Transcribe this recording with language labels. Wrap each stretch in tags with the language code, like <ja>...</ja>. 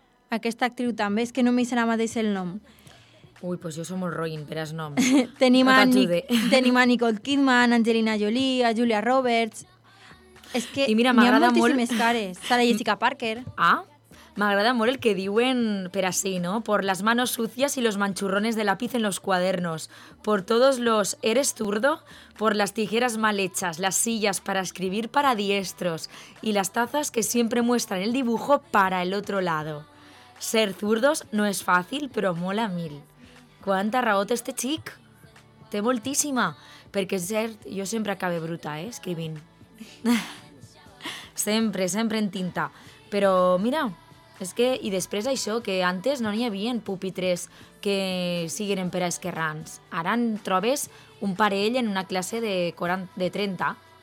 <ca>Aquesta actriu també, és que no m'hi serà mateix el nom. Ui, pues jo som molt roïn per els noms. Tenim, no t'ajude. Tenim a Nicole Kidman, Angelina Jolie, a Julia Roberts. És que mira, n'hi ha moltíssimes cares. Sara Jessica Parker. Ah, m'agrada molt el que diuen per així, no?</ca> <es>Por las manos sucias y los manchurrones de lápiz en los cuadernos. Por todos los eres zurdo, por las tijeras mal hechas, las sillas para escribir para diestros y las tazas que siempre muestran el dibujo para el otro lado. Ser zurdos no es fácil, pero mola mil.</es> <ca>Quanta raó té este xic? Té moltíssima. Perquè és cert, jo sempre acabo bruta, escrivint. Sempre, sempre en tinta. Però mira, és que, i després això, que antes no n'hi havia pupitres que siguin per a esquerrans. Ara en trobes un parell en una classe de 40, de 30.</ca>